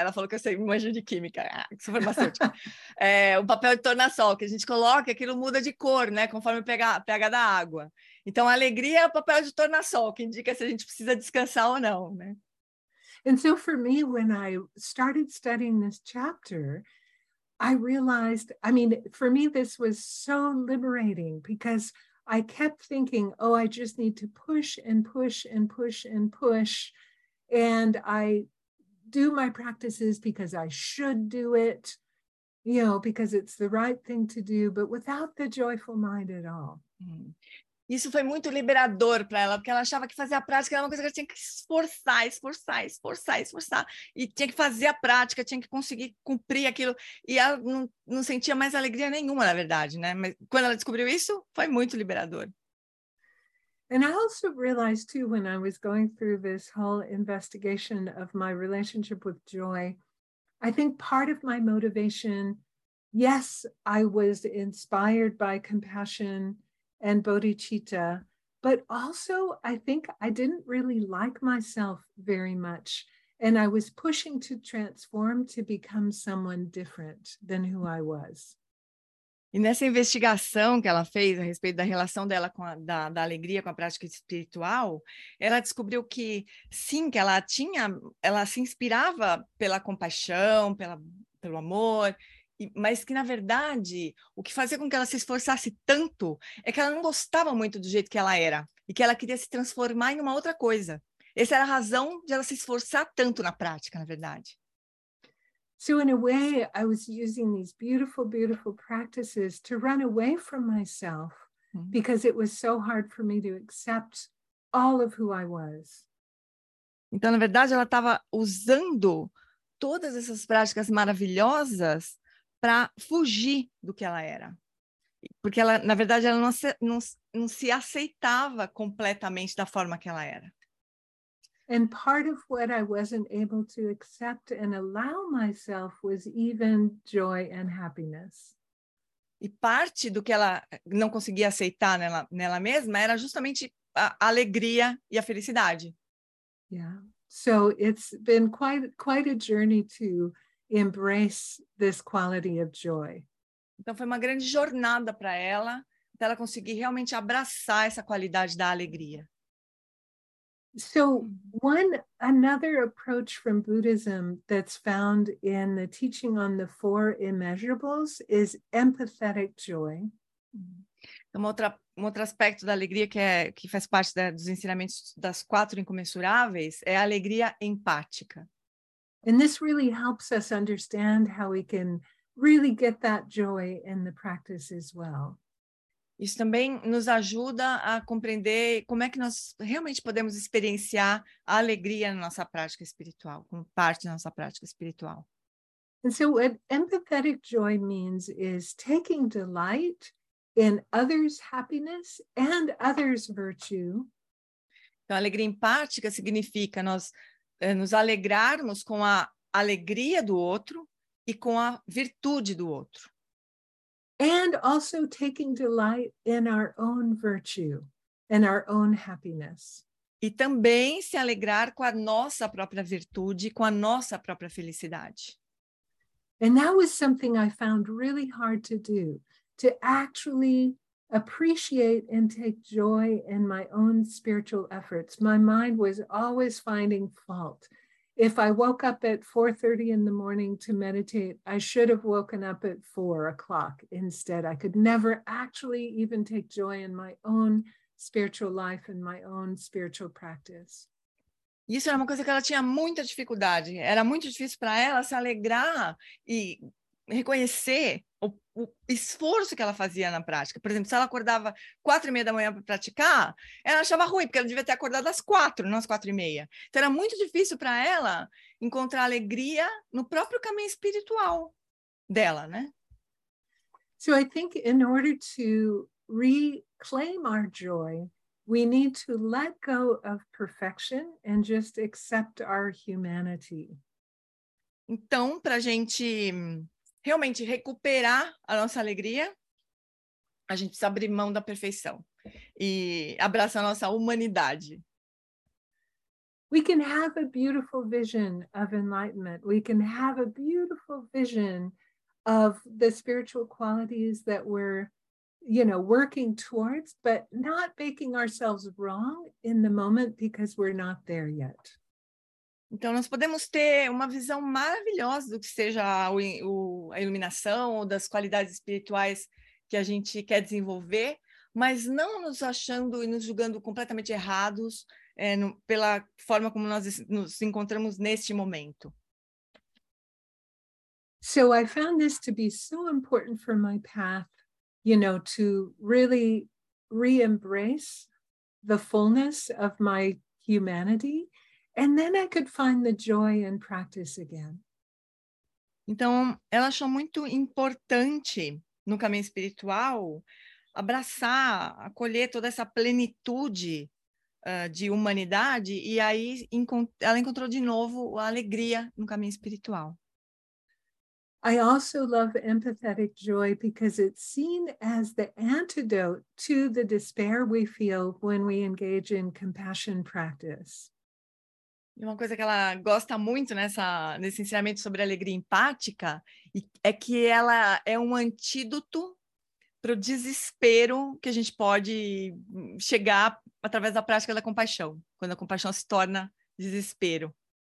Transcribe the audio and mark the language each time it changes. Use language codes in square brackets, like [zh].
[pt] Ela falou que eu sei, manjo de química, que sou farmacêutica. O papel de tornassol, que a gente coloca, aquilo muda de cor, né, conforme o pH da água. Então, a alegria é o papel de tornassol, que indica se a gente precisa descansar ou não, né? [en] And so for me, when I started studying this chapter, I realized, I mean, for me, this was so liberating because I kept thinking, oh, I just need to push and push and push and push. And I do my practices because I should do it, you know, because it's the right thing to do, but without the joyful mind at all. [pt] Isso foi muito liberador para ela, porque ela achava que fazer a prática era uma coisa que ela tinha que esforçar, esforçar, esforçar, esforçar. E tinha que fazer a prática, tinha que conseguir cumprir aquilo. E ela não sentia mais alegria nenhuma, na verdade, né? Mas quando ela descobriu isso, foi muito liberador. [en] And I also realized, too, when I was going through this whole investigation of my relationship with joy, I think part of my motivation, yes, I was inspired by compassion and bodhicitta, but also I think I didn't really like myself very much. And I was pushing to transform to become someone different than who I was. [pt] E nessa investigação que ela fez a respeito da relação dela com a da alegria com a prática espiritual, ela descobriu que sim, que ela tinha, ela se inspirava pela compaixão, pelo amor, mas que na verdade o que fazia com que ela se esforçasse tanto é que ela não gostava muito do jeito que ela era e que ela queria se transformar em uma outra coisa. Essa era a razão de ela se esforçar tanto na prática, na verdade. [en] So in a way, I was using these beautiful, beautiful practices to run away from myself because it was so hard for me to accept all of who I was. [pt] Então, na verdade, ela estava usando todas essas práticas maravilhosas para fugir do que ela era. Porque ela, na verdade, ela não se aceitava completamente da forma que ela era. [en] And part of what I wasn't able to accept and allow myself was even joy and happiness. [pt] E parte do que ela não conseguia aceitar nela mesma era justamente a alegria e a felicidade. Yeah. [en] So it's been quite a journey to embrace this quality of joy. [pt] Então foi uma grande jornada para ela, até ela conseguir realmente abraçar essa qualidade da alegria. [en] So another approach from Buddhism that's found in the teaching on the four immeasurables is empathetic joy. [pt] Um outro aspecto da alegria que faz parte dos ensinamentos das quatro incomensuráveis é a alegria empática. [en] And this really helps us understand how we can really get that joy in the practice as well. [pt] Isso também nos ajuda a compreender como é que nós realmente podemos experienciar a alegria na nossa prática espiritual, como parte da nossa prática espiritual. [en] And so what empathetic joy means is taking delight in others' happiness and others' virtue. [pt] Então, alegria empática significa nós nos alegrarmos com a alegria do outro e com a virtude do outro. [en] And also taking delight in our own virtue and our own happiness. [pt] E também se alegrar com a nossa própria virtude, com a nossa própria felicidade. [en] And that was something I found really hard to do, to actually appreciate and take joy in my own spiritual efforts. My mind was always finding fault. If I woke up at 4:30 in the morning to meditate, I should have woken up at 4:00 instead. I could never actually even take joy in my own spiritual life and my own spiritual practice. [pt] Isso era uma coisa que ela tinha muita dificuldade. Era muito difícil para ela se alegrar e reconhecer o esforço que ela fazia na prática. Por exemplo, se ela acordava 4:30 da manhã para praticar, ela achava ruim, porque ela devia ter acordado às 4, não às 4:30. Então era muito difícil para ela encontrar alegria no próprio caminho espiritual dela, né? [en] So I think in order to reclaim our joy, we need to let go of perfection and just accept our humanity. [pt] Então, para a gente realmente recuperar a nossa alegria, a gente precisa abrir mão da perfeição e abraçar a nossa humanidade. [en] We can have a beautiful vision of enlightenment. We can have a beautiful vision of the spiritual qualities that we're, you know, working towards, but not making ourselves wrong in the moment because we're not there yet. [pt] Então, nós podemos ter uma visão maravilhosa do que seja a iluminação ou das qualidades espirituais que a gente quer desenvolver, mas não nos achando e nos julgando completamente errados pela forma como nós nos encontramos neste momento. [en] So I found this to be so important for my path, you know, to really re-embrace the fullness of my humanity, and then I could find the joy in practice again. [pt] Então, ela achou muito importante no caminho espiritual abraçar, acolher toda essa plenitude de humanidade, e aí ela encontrou de novo a alegria no caminho espiritual. [en] I also love empathetic joy because it's seen as the antidote to the despair we feel when we engage in compassion practice. [pt] E uma coisa que ela gosta muito nesse ensinamento sobre alegria empática é que ela é um antídoto para o desespero que a gente pode chegar através da prática da compaixão, quando a compaixão se torna desespero.